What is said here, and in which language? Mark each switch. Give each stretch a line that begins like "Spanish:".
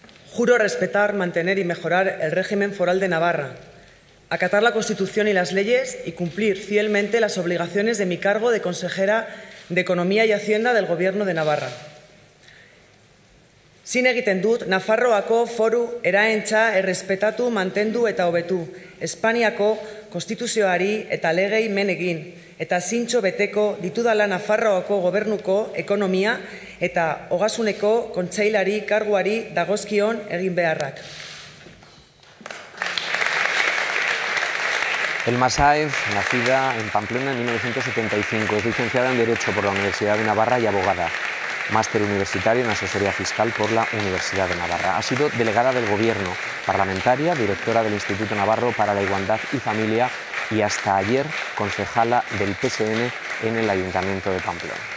Spanish: Juro respetar, mantener y mejorar el régimen foral de Navarra, acatar la Constitución y las leyes y cumplir fielmente las obligaciones de mi cargo de consejera de Economía y Hacienda del Gobierno de Navarra.
Basque: Zin egiten dut, Nafarroako foru eraentza errespetatu, mantendu eta hobetu, Espainiako konstituzioari eta legei men egin, eta zintxo beteko ditudala Nafarroako gobernuko ekonomia eta ogasuneko kontseilari karguari dagozkion egin beharrak.
Spanish: Elma Sáez, nacida en Pamplona en 1975, es licenciada en Derecho por la Universidad de Navarra y abogada. Máster universitario en asesoría fiscal por la Universidad de Navarra. Ha sido delegada del Gobierno, parlamentaria, directora del Instituto Navarro para la Igualdad y Familia y hasta ayer concejala del PSN en el Ayuntamiento de Pamplona.